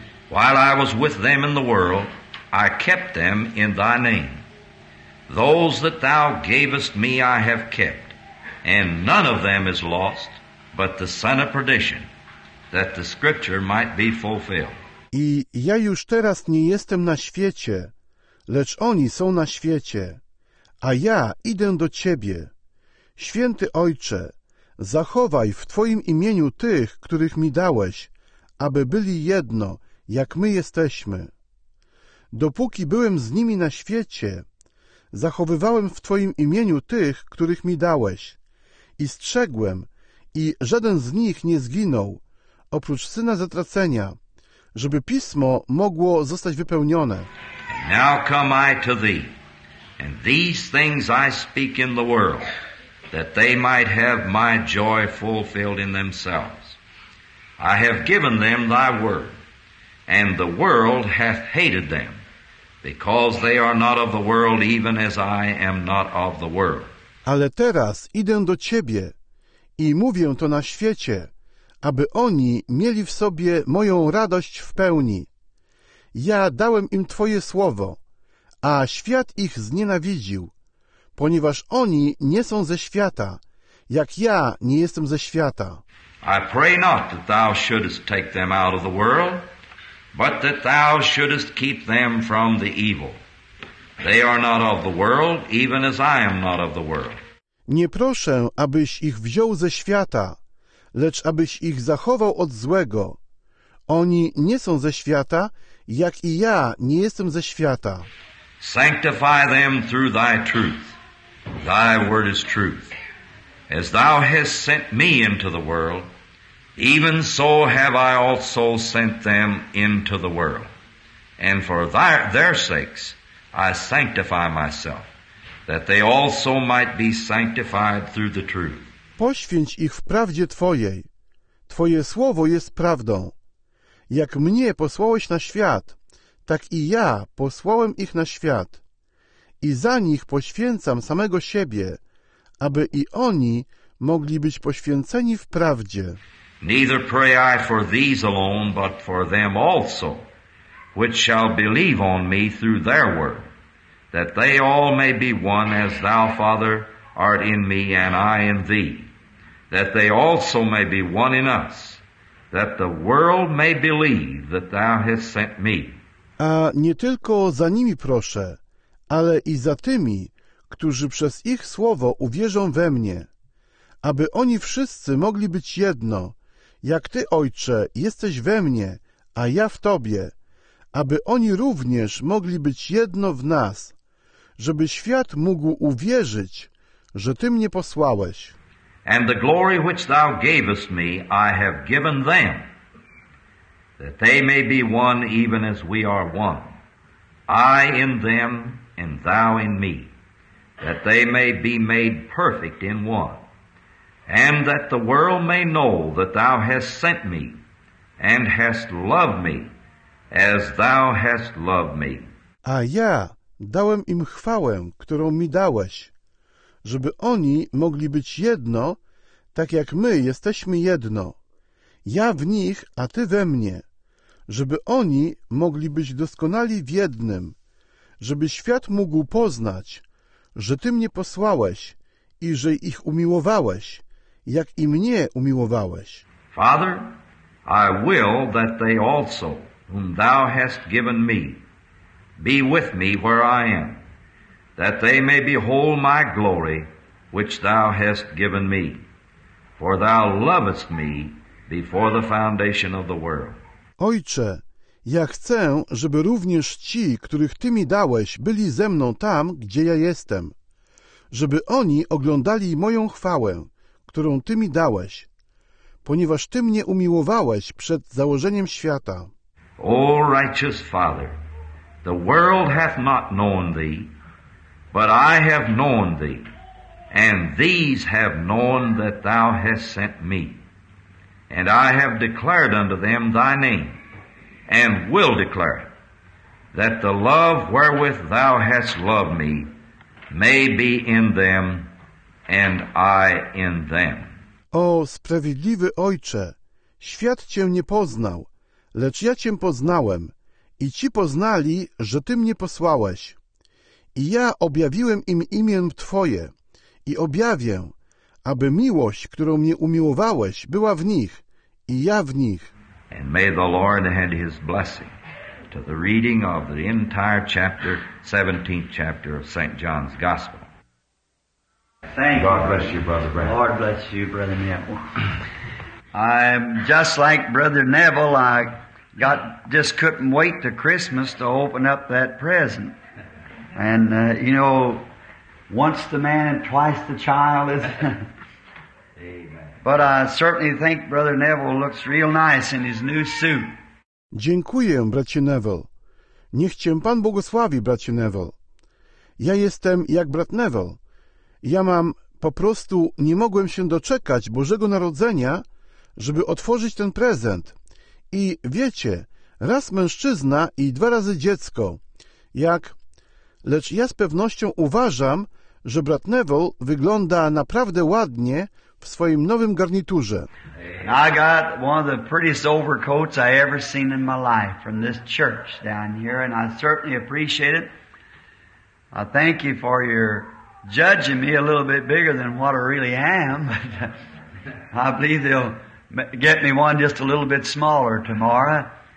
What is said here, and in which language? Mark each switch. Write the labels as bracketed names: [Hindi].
[English] While I was with them in the world, I kept them in Thy name. Those that Thou gavest me I have kept, and none of them is lost, but the son of perdition, that the scripture might be fulfilled. [Polish] I ja już teraz nie jestem na świecie, lecz oni są na świecie, a ja idę do Ciebie. Święty Ojcze, zachowaj w Twoim imieniu tych, których mi dałeś, aby byli jedno, jak my jesteśmy. Dopóki byłem z nimi na świecie, zachowywałem w Twoim imieniu tych, których mi dałeś, i strzegłem, i żaden z nich nie zginął, oprócz Syna Zatracenia, żeby Pismo mogło zostać wypełnione. [English] Now come I to Thee, And these things I speak in the world, that they might have my joy fulfilled in themselves. I have given them thy word, and the world hath hated them, because they are not of the world, even as I am not of the world. [Polish] Ale teraz idę do ciebie i mówię to na świecie, aby oni mieli w sobie moją radość w pełni. Ja dałem im twoje słowo, a świat ich znienawidził, ponieważ oni nie są ze świata, jak ja nie jestem ze świata. [English] I pray not that thou shouldest take them out of the world, but that thou shouldest keep them from the evil. They are not of the world, even as I am not of the world. [Polish] Nie proszę, abyś ich wziął ze świata, lecz abyś ich zachował od złego. Oni nie są ze świata, jak i ja nie jestem ze świata. [English] Sanctify them through thy truth. Thy word is truth. As thou hast sent me into the world, even so have I also sent them into the world. And for their sakes I sanctify myself, that they also might be sanctified through the truth. [Polish] Poświęć ich w prawdzie Twojej. Twoje słowo jest prawdą. Jak mnie posłałeś na świat, tak i ja posłałem ich na świat. I za nich poświęcam samego siebie, aby i oni mogli być poświęceni w prawdzie. [English] Neither pray I for these alone, but for them also, which shall believe on me through their word, that they all may be one as thou, Father, art in me and I in thee, that they also may be one in us, that the world may believe that thou hast sent me. [Polish] A nie tylko za nimi proszę, ale i za tymi, którzy przez ich słowo uwierzą we mnie, aby oni wszyscy mogli być jedno, jak ty, Ojcze, jesteś we mnie, a ja w tobie, aby oni również mogli być jedno w nas, żeby świat mógł uwierzyć, że Ty mnie posłałeś. [English] And the glory which thou gavest me I have given them, that they may be one even as we are one, I in them and thou in me, that they may be made perfect in one, and that the world may know that thou hast sent me and hast loved me as thou hast loved me. [Polish] A ja dałem im chwałę, którą mi dałeś, żeby oni mogli być jedno, tak jak my jesteśmy jedno. Ja w nich, a ty we mnie. Żeby oni mogli być doskonali w jednym. Żeby świat mógł poznać, że ty mnie posłałeś i że ich umiłowałeś, jak i mnie umiłowałeś. [English] Father, I will that they also, whom thou hast given me, be with me where I am, that they may behold my glory, which thou hast given me. For thou lovest me before the foundation of the world. [Polish] Ojcze, ja chcę, żeby również ci, których ty mi dałeś, byli ze mną tam, gdzie ja jestem. Żeby oni oglądali moją chwałę, którą ty mi dałeś, ponieważ ty mnie umiłowałeś przed założeniem świata. [English] O righteous Father, the world hath not known thee, but I have known thee, and these have known that thou hast sent me. And I have declared unto them thy name, and will declare it, that the love wherewith thou hast loved me may be in them, and I in them. [Polish] O sprawiedliwy Ojcze, świat cię nie poznał, lecz ja cię poznałem i ci poznali, że ty mnie posłałeś. I ja objawiłem im imię twoje i objawię, aby miłość, którą mnie umiłowałeś, była w nich i ja w nich. [English] And may the Lord add his blessing to the reading of the entire chapter, 17th chapter of St. John's Gospel. Thank God. God bless you, Brother Brad. Lord bless you, Brother Neville. I'm just like Brother Neville. I got just couldn't wait to Christmas to open up that present. And, you know, once the man and twice the child is... Amen. But I certainly think Brother Neville looks real nice in his new suit. [Polish] Dziękuję, bracie Neville. Niech cię Pan błogosławi, bracie Neville. Ja jestem jak brat Neville. Ja mam po prostu nie mogłem się doczekać Bożego Narodzenia, żeby otworzyć ten prezent. I wiecie, raz mężczyzna i dwa razy dziecko. Lecz ja z pewnością uważam, że brat Neville wygląda naprawdę ładnie w swoim nowym garniturze. [English] I got one of the prettiest overcoats I ever seen in my life from this church down here, and I certainly appreciate it. I thank you for your judging me a little bit bigger than what I really am. I believe they'll get me one just a little bit smaller tomorrow.